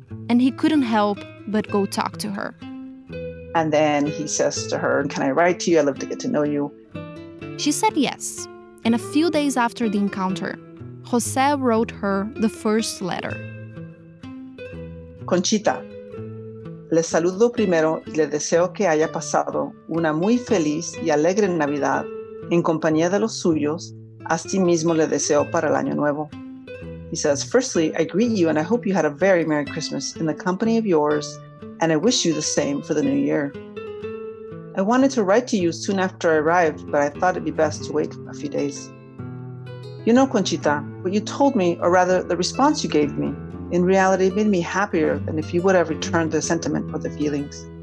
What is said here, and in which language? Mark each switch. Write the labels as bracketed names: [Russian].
[English] And he couldn't help but go talk to her. And then he says to her, can I write to you? I'd love to get to know you. She said yes. And a few days after the encounter, José wrote her the first letter. [Spanish] Conchita, le saludo primero y le deseo que haya pasado una muy feliz y alegre Navidad en compañía de los suyos. Así mismo le deseo para el año nuevo. [English] He says, firstly, I greet you and I hope you had a very Merry Christmas in the company of yours, and I wish you the same for the new year. I wanted to write to you soon after I arrived, but I thought it'd be best to wait a few days. You know, Conchita, what you told me, or rather the response you gave me, in reality made me happier than if you would have returned the sentiment or the feelings.